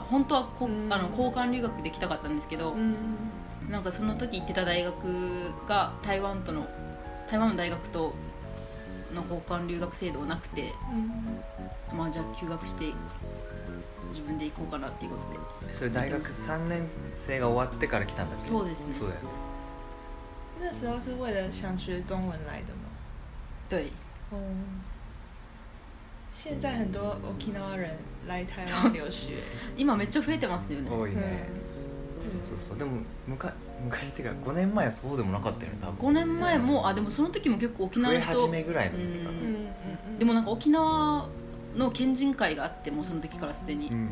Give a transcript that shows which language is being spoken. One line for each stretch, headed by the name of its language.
Japanese: 本当はあの交換留学で来たかったんですけど、なんかその時行ってた大学が台湾の大学との交換留学制度がなくて、まあじゃあ休学して自分で行こうかなっていうことで。それ大学3年生が終わってから来たんだっけ。そうですね。そうだよね。
Chinese: 那时候是为了想学中文来的。对，现在很多沖縄人来台湾留学，
Japanese: 今めっちゃ増えてますよね。多いね。そうそう。でも昔っていうか5年前はそうでもなかったよね、多分。 5年前も、でもその時も結構沖縄人増え始めぐらいの時か。でもなんか沖縄の県人会があって、もうその時からすでに。